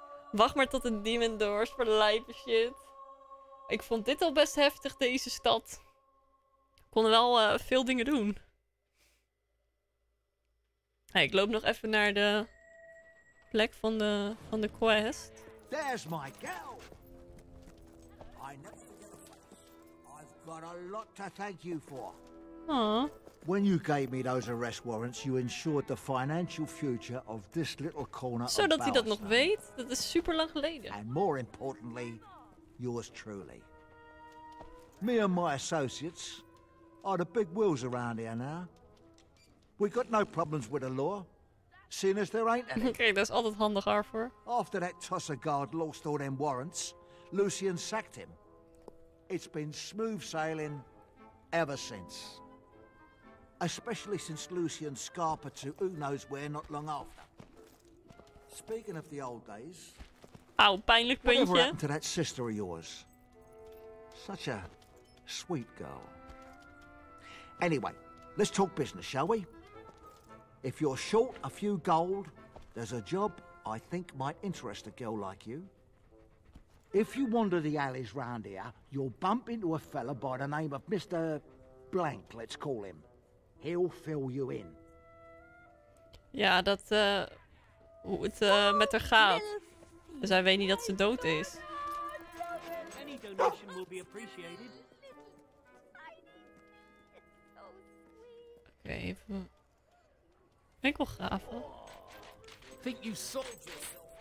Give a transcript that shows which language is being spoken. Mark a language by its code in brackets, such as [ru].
[nl] Wacht maar tot de Demon Doors voor de lijpe shit. Ik vond dit al best heftig, deze stad. konden wel veel dingen doen. Hey, ik loop nog even naar de plek van de quest. [en] There's my girl. I know. I've got a lot to thank you for. Aww. When you gave me those arrest warrants, you ensured the financial future of this little corner. [nl] Zodat hij dat nog weet, dat is super lang geleden. [en] And more importantly, yours truly. Me and my associates are the big wheels around here now. We got no problems with the law, seeing as there ain't any. [nl] Okay, dat is altijd handig, Arthur. [en] After that tosser guard lost all them warrants, Lucien sacked him. It's been smooth sailing ever since. Especially since Lucien Scarpa to who knows where not long after. Speaking of the old days. [nl] Au, pijnlijk puntje. [en] Whatever happened to that sister of yours? Such a sweet girl. Anyway, let's talk business, shall we? If you're short a few gold, there's a job I think might interest a girl like you. If you wander the alleys round here, you'll bump into a fella by the name of Mr. Blank, let's call him. He'll fill you in. [nl] Ja, dat hoe het met haar gaat. Dus hij weet niet dat ze dood is. [en] Any donation will be appreciated. [nl] Oké, even. Ik wil graven. [en] Think you sold yourself.